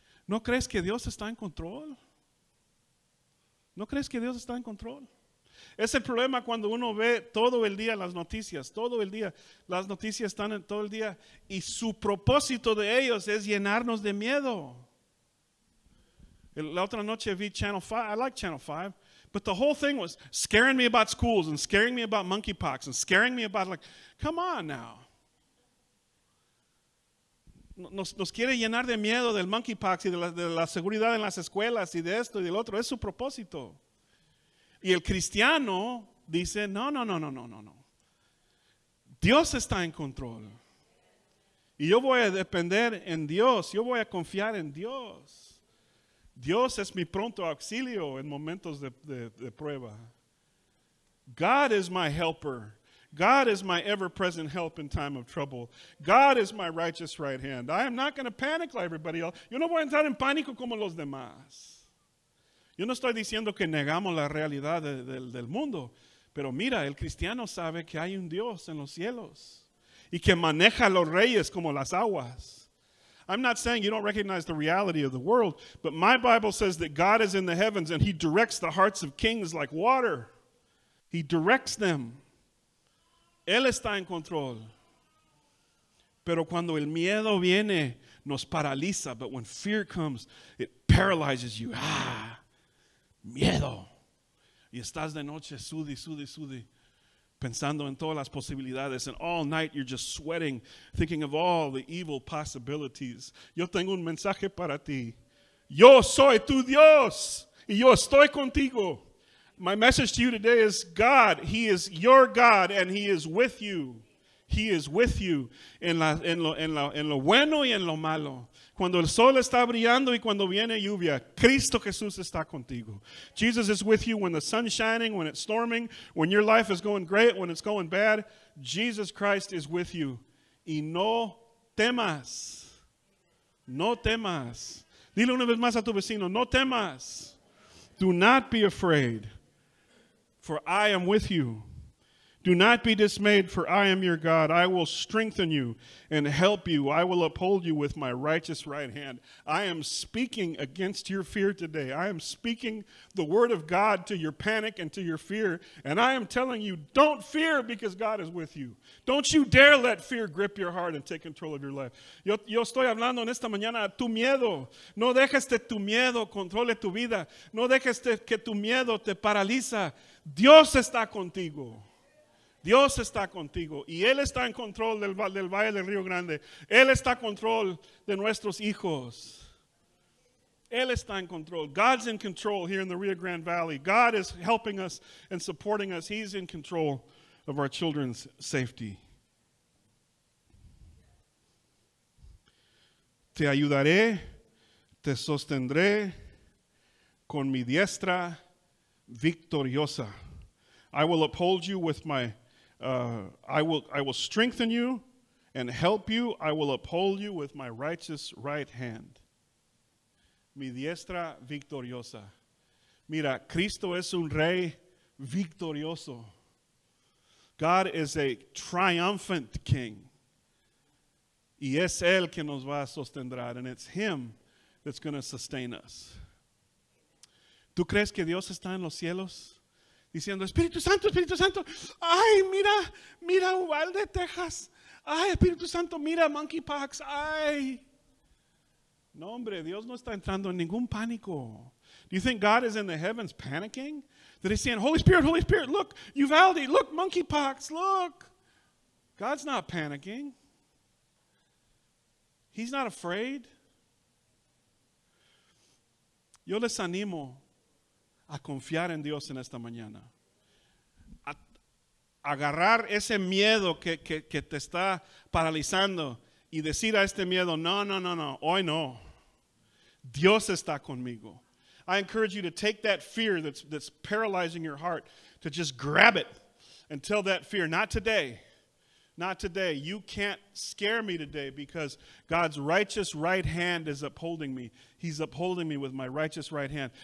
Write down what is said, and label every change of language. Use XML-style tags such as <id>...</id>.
<es>¿No crees que Dios está en control? ¿No crees que Dios está en control? Es el problema cuando uno ve todo el día las noticias, todo el día. Las noticias están en todo el día y su propósito de ellos es llenarnos de miedo. La otra noche vi Channel 5.</es> <en>I like Channel 5. But the whole thing was scaring me about schools and scaring me about monkeypox and scaring me about, like, come on now.</en> <es>Nos quiere llenar de miedo del monkeypox y de la seguridad en las escuelas y de esto y del otro. Es su propósito. Y el cristiano dice, no. Dios está en control. Y yo voy a depender en Dios. Yo voy a confiar en Dios. Dios es mi pronto auxilio en momentos de prueba.</es> <en>God is my helper. God is my ever-present help in time of trouble. God is my righteous right hand. I am not going to panic like everybody else.</en> <es>Yo no voy a entrar en pánico como los demás. Yo no estoy diciendo que negamos la realidad del mundo. Pero mira, el cristiano sabe que hay un Dios en los cielos y que maneja los reyes como las aguas.</es> <en>I'm not saying you don't recognize the reality of the world, but my Bible says that God is in the heavens and he directs the hearts of kings like water. He directs them.</en> <es>Él está en control. Pero cuando el miedo viene, nos paraliza.</es> <en>But when fear comes, it paralyzes you.</en> <es>Ah, miedo. Y estás de noche, sudi. Pensando en todas las posibilidades.</es> <en>And all night you're just sweating, thinking of all the evil possibilities.</en> <es>Yo tengo un mensaje para ti. Yo soy tu Dios. Y yo estoy contigo.</es> <en>My message to you today is God. He is your God and he is with you. He is with you.</en> <es>En lo bueno y en lo malo. Cuando el sol está brillando y cuando viene lluvia, Cristo Jesús está contigo.</es> <en>Jesus is with you when the sun's shining, when it's storming, when your life is going great, when it's going bad. Jesus Christ is with you.</en> <es>Y no temas. No temas. Dile una vez más a tu vecino, no temas.</es> <en>Do not be afraid, for I am with you. Do not be dismayed, for I am your God. I will strengthen you and help you. I will uphold you with my righteous right hand. I am speaking against your fear today. I am speaking the word of God to your panic and to your fear. And I am telling you, don't fear because God is with you. Don't you dare let fear grip your heart and take control of your life.</en> <es>Yo estoy hablando en esta mañana a tu miedo. No dejes que tu miedo controle tu vida. No dejes que tu miedo te paraliza. Dios está contigo. Dios está contigo y Él está en control del valle del Río Grande. Él está en control de nuestros hijos. Él está en control.</es> <en>God's in control here in the Rio Grande Valley. God is helping us and supporting us. He's in control of our children's safety.</en> <es>Te ayudaré, te sostendré con mi diestra victoriosa.</es> <en>I will uphold you with my I will strengthen you and help you. I will uphold you with my righteous right hand.</en> <es>Mi diestra victoriosa. Mira, Cristo es un rey victorioso.</es> <en>God is a triumphant king.</en> <es>Y es Él que nos va a sostener.</es> <en>And it's Him that's going to sustain us.</en> <es>¿Tú crees que Dios está en los cielos? Diciendo, Espíritu Santo, ay, mira, mira Uvalde, Texas. Ay, Espíritu Santo, mira Monkeypox, ay. No, hombre, Dios no está entrando en ningún pánico.</es> <en>Do you think God is in the heavens panicking? That he's saying, Holy Spirit, look, Uvalde, look, Monkeypox, look. God's not panicking. He's not afraid.</en> <es>Yo les animo a confiar en Dios en esta mañana. A agarrar ese miedo que te está paralizando y decir a este miedo, no, hoy no. Dios está conmigo.</es> <en>I encourage you to take that fear that's paralyzing your heart, to just grab it and tell that fear, not today. Not today. You can't scare me today because God's righteous right hand is upholding me. He's upholding me with my righteous right hand.</en>